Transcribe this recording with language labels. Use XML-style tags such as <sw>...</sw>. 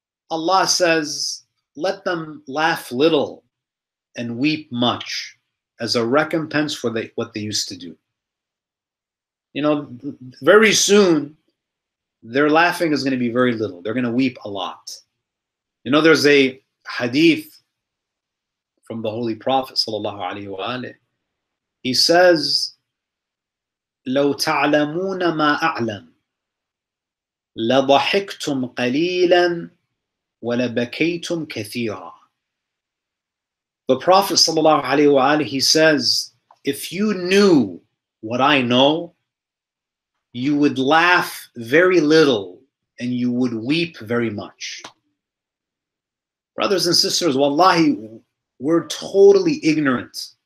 <en>Allah says, let them laugh little and weep much as a recompense for what they used to do. You know, very soon, their laughing is going to be very little. They're going to weep a lot. You know, there's a hadith from the Holy Prophet sallallahu alaihi wa alayhi.</en> <ar>He says, لو تعلمون ما أعلم لضحكتم قليلا ولبكيتم كثيرا.</ar> <en>The Prophet sallallahu alaihi wa alayhi, he says, if you knew what I know, you would laugh very little and you would weep very much. Brothers and sisters, wallahi, we're totally ignorant.</en>